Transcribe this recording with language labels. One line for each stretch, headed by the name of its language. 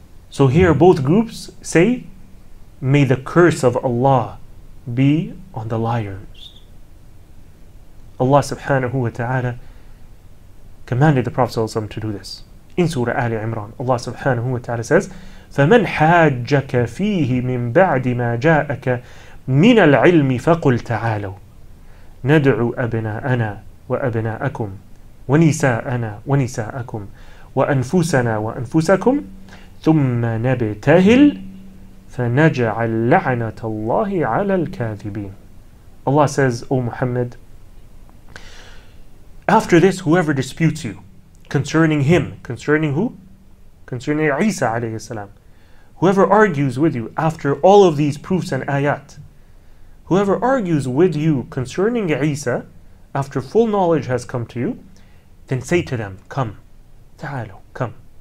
English: So here both groups say, may the curse of Allah be on the liars. Allah subhanahu wa ta'ala commanded the Prophet sallallahu alaihi wasallam to do this. In Surah Ali Imran, Allah subhanahu wa ta'ala says,
Arabic: فَمَنْ حَاجَّكَ فِيهِ مِنْ بَعْدِ مَا جَاءَكَ من العلم فقل تعالوا ندعو أبناءنا وأبناءكم ونساءنا ونساءكم وأنفسنا وأنفسكم ثم نبتهل فنجعل لعنة الله على الكاذبين.
English: Allah says, O Muhammad, after this, whoever disputes you concerning him, concerning who? Concerning Isa alayhi salam. Whoever argues with you after all of these proofs and ayat, whoever argues with you concerning Isa, after full knowledge has come to you, then say to them, come, ta'alu, come.